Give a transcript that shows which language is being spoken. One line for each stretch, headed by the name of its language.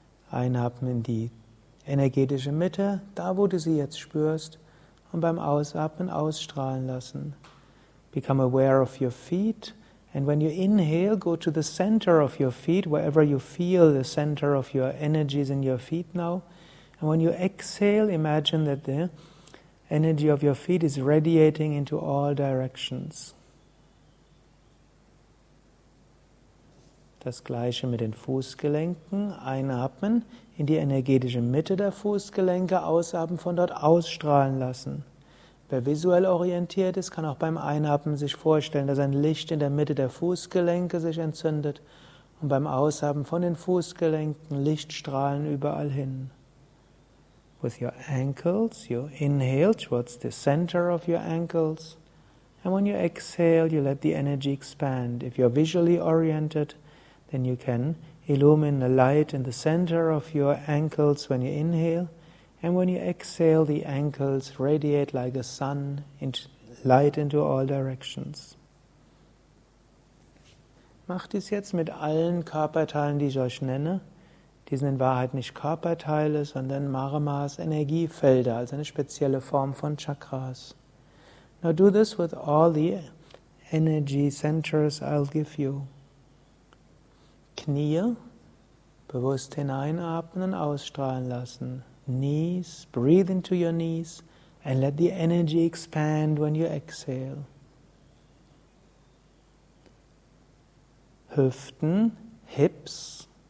German: Einatmen in die energetische Mitte, da wo du sie jetzt spürst, und beim Ausatmen ausstrahlen lassen.
English: Become aware of your feet, and when you inhale, go to the center of your feet, wherever you feel the center of your energies in your feet now. And when you exhale, imagine that the energy of your feet is radiating into all directions.
German: Das gleiche mit den Fußgelenken, einatmen, in die energetische Mitte der Fußgelenke, ausatmen, von dort ausstrahlen lassen. Wer visuell orientiert ist, kann auch beim Einatmen sich vorstellen, dass ein Licht in der Mitte der Fußgelenke sich entzündet und beim Ausatmen von den Fußgelenken Lichtstrahlen überall hin.
English: With your ankles, you inhale towards the center of your ankles and when you exhale, you let the energy expand. If you're visually oriented, then you can illumine the light in the center of your ankles when you inhale, and when you exhale, the ankles radiate like a sun, light into all directions.
German: Mach dies jetzt mit allen Körperteilen, die ich euch nenne. Die sind in Wahrheit nicht Körperteile, sondern Marmas, Energiefelder, also eine spezielle Form von Chakras.
English: Now do this with all the energy centers I'll give you.
German: Knie, bewusst hineinatmen und ausstrahlen lassen.
English: Knees, breathe into your knees and let the energy expand when you exhale.
German: Hüften, hips,